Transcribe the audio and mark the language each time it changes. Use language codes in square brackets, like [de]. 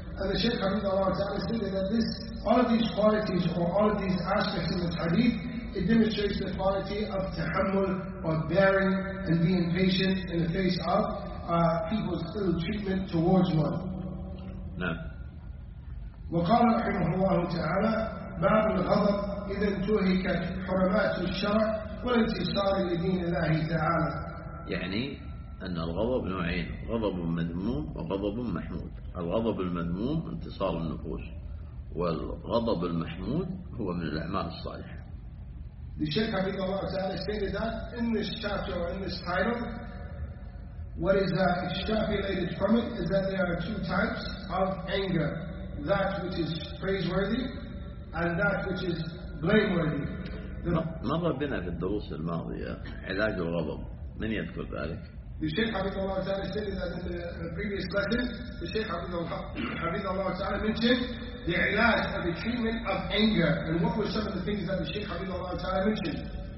[en] And the Shaykh Habib Allah Ta'ala stated that this, all of these qualities or all of these aspects in the hadith, it demonstrates the quality of tahammul, or bearing and being patient in the face of people's ill treatment towards one. No. [ar] وقال رحمه الله تعالى باب الغضب إذا انتهكت حرمات الشرع والانتصار لدين الله تعالى. يعني أن الغضب نوعين, غضب مذموم وغضب محمود. الغضب المذموم انتصار النفوس, والغضب المحمود هو من الأعمال الصالحة. [en] The Shaykh Habib Allah Ta'ala stated that in this chapter or in this title, what is extrapolated from it is that there are two types of anger, that which is praiseworthy and that which is blameworthy. [ar] مضى بنا في الدروس الماضية علاج الغضب, من يذكر ذلك؟ [en] The Shaykh Hafidhullah Ta'ala said that in the previous lesson, the Shaykh Hafidhullah Ta'ala mentioned the ilaj of the treatment of anger. And what were some of the things that the Shaykh Hafidhullah Ta'ala mentioned?